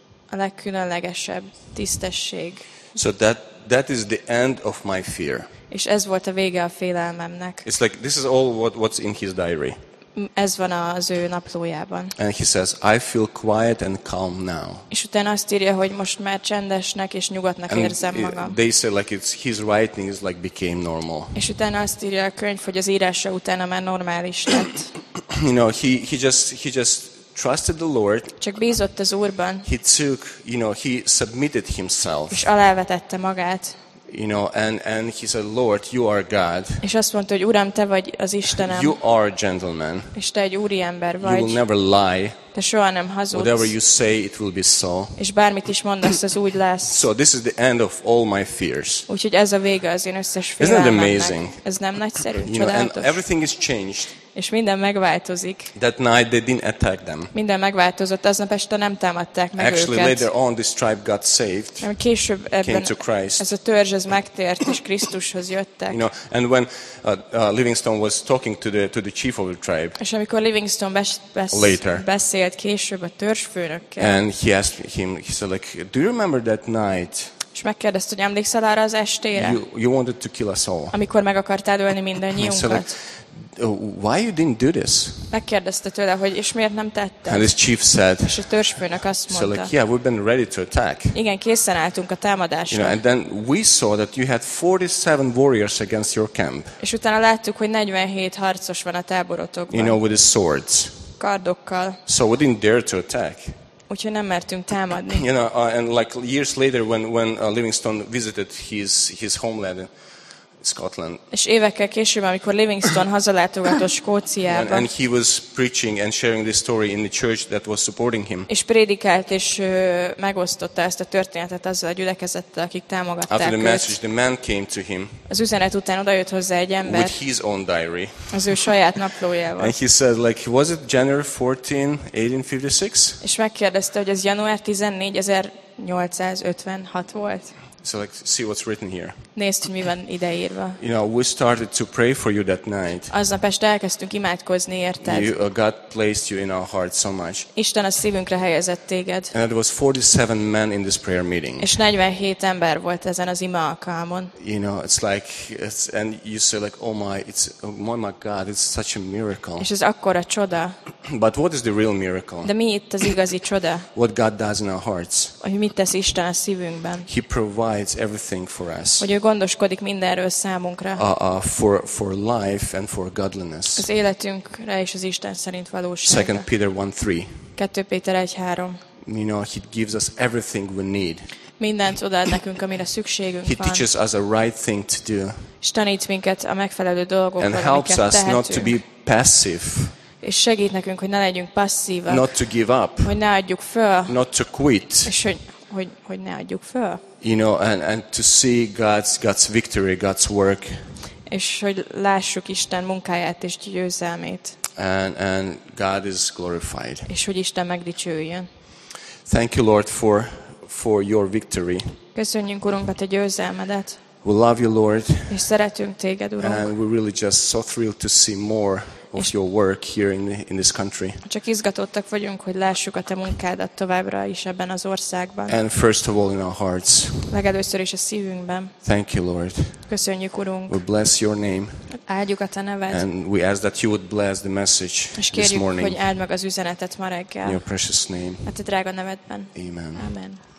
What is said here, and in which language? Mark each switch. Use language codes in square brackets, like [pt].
[hu] A legkülönlegesebb tisztesség. [en] So that is the end of my fear. [hu] És ez volt a vége a félelmemnek. [en] It's like this is all what's in his diary. [hu] Ez van az ő naplójában. [en] And he says, I feel quiet and calm now. [hu] És utána azt írja, hogy most már csendesnek és nyugodtnak érzem magam. [en] They say like it's his writing is like became normal. [hu] És utána azt írja a könyv, hogy az írása utána már normális lett. [en] You know, he just trusted the Lord. [hu] Csak bízott az Úrban. [en] He took, you know, he submitted himself. [hu] És alávetette magát. [en] You know, and he said, Lord, you are God. [hu] És azt mondta, hogy Uram, te vagy az Istenem. [en] You are a gentleman. [hu] És te egy úriember vagy. [en] You will never lie. [hu] Te soha nem hazudsz. [en] Whatever you say, it will be so. [hu] És bármit is mondasz, az úgy lesz. [en] So this is the end of all my fears. [hu] Úgyhogy ez a vége az én összes félelmemnek. [en] Isn't that amazing? [hu] Ez nem nagyszerű, [en] you know, and everything is changed. [hu] És minden megváltozik. [en] That night they didn't attack them. [hu] Minden megváltozott, aznap este nem támadták meg [en] Actually, [hu] őket. [en] Actually, later on, this tribe got saved. [hu] Később ebben [en] came to Christ. [hu] Ez a törzs ez megtért és Krisztushoz jöttek. [en] You know, and when Livingstone was talking to the chief of the tribe. [hu] És amikor Livingstone beszélt később a törzsfőnökkel. [en] And he asked him, he said like, do you remember that night? [hu] És megkérdezte, hogy emlékszel arra az estére? [en] You wanted to kill us all. [hu] Amikor meg akartál ölni mindannyiunkat. [en] So like, why you didn't do this? [hu] Megkérdezte tőle, hogy és miért nem tette? [en] And his chief said. [hu] És a törzsfőnök azt mondta. [en] So like, yeah, we've been ready to attack. [hu] Igen, készen álltunk a támadásra. [en] You know, and then we saw that you had 47 warriors against your camp. [hu] És utána láttuk, hogy 47 harcos van a táborotokban. [en] You know, with his swords. [hu] Kardokkal. [en] So we didn't dare to attack. [hu] Úgyhogy nem mertünk támadni. [en] You know, and like years later when Livingstone visited his homeland in Scotland. [hu] És évekkel később, amikor Livingstone hazalátogatott Skóciába. [en] And he was preaching and sharing this story in the church that was supporting him. [hu] És prédikált és megosztotta ezt a történetet azzal a gyülekezettel, akik támogatták őt. [en] After the message, the man came to him. [hu] Az üzenet után odajött hozzá egy ember. [en] With his own diary. [hu] Az ő saját naplójával. [en] And he said like, was it January 14, 1856? [hu] És megkérdezte, hogy ez január 14, 1856 volt. [en] So like, see what's written here. [hu] Nézd, hogy mi van ideírva. [en] You know, we started to pray for you that night. [hu] Aznap este elkezdtünk imádkozni érted. [en] God placed you in our heart so much. [hu] Isten a szívünkre helyezett téged. [en] And there was 47 men in this prayer meeting. [hu] És 47 ember volt ezen az ima alkalmon. [en] You know, it's like, it's, and you say like, oh my, it's, oh my God, it's such a miracle. [hu] És ez akkora csoda. [en] But what is the real miracle? [hu] De mi itt az igazi csoda? [en] What God does in our hearts. [hu] Hogy mit tesz Isten a szívünkben. [en] He provides everything for us. [hu] Hogy ő gondoskodik mindenről számunkra. [en] For life and for godliness. [hu] Az életünkre és az Isten szerint valóságra. [en] 2 Peter 1:3. [hu] 2 Péter 1:3. [en] You know, he gives us everything we need. [hu] Mindent odaad nekünk, amire szükségünk [en] he [hu] van. [en] He teaches us a right thing to do. [hu] És tanít minket a megfelelő dolgokat, amiket tehetünk. [en] And helps us not to be passive. [hu] És segít nekünk, hogy ne legyünk passzívak. [en] Not to give up. [hu] Hogy ne adjuk föl. [en] Not to quit. [hu] És hogy ne adjuk föl. [en] You know, and to see God's victory, God's work. [hu] És hogy lássuk Isten munkáját és győzelmét. [en] And God is glorified. [hu] És hogy Isten megdicsőjön. [en] Thank you, Lord, for your victory. [hu] Köszönjünk, Urunk, a te győzelmedet. [en] We love you, Lord. [hu] És szeretünk téged, Urunk. [en] And we're really just so thrilled to see more of your work here in this country. [hu] Csak izgatottak vagyunk, hogy lássuk a te munkádat továbbra is ebben az országban. [en] And first of all in our hearts. [hu] Legelőször is a szívünkben. [en] Thank you, Lord. [hu] Köszönjük, Urunk. [en] We bless your name. [hu] Áldjuk a te neved. [en] And we ask that you would bless the message [hu] és kérjük, [en] this morning. [hu] Hogy áld meg az üzenetet ma reggel. [en] In your precious name. [hu] A te drága nevedben. [en] Amen. [hu] Amen.